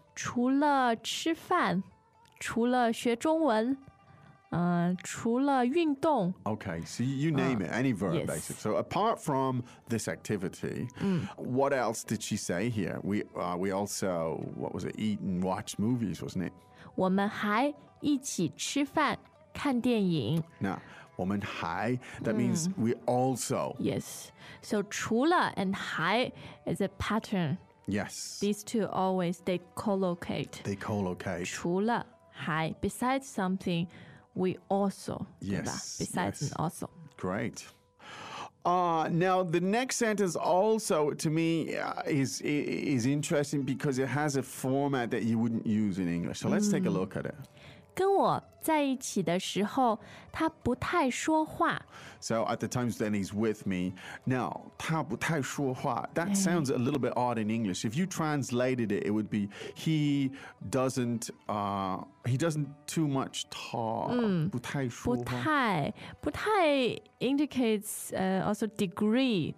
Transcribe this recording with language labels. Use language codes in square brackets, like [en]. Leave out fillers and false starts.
[zh] 除了吃饭, 除了学中文, 除了运动 [en] Okay, so you name it, any verb、 yes. basically. So apart from this activity,、what else did she say here? We also, what was it, eat and watch movies, wasn't it? [zh] 我们还一起吃饭看电影 [en] Now, [zh] 我们还 [en] that means we also. Yes, so 除了 and 还 is a pattern Yes. These two always, they co-locate. They co-locate. 除了还 besides something, we also. Yes. Besides yes. and also. Great. Now, the next sentence also, to me, is interesting because it has a format that you wouldn't use in English. So let's take a look at it. [zh] 跟我在一起的时候他不太说话 [en] So at the times that he's with me Now, [zh] 他不太说话 [en] That sounds a little bit odd in English If you translated it, it would be He doesn't too much talk [zh] 不太说话 [en] 不太 indicates also degree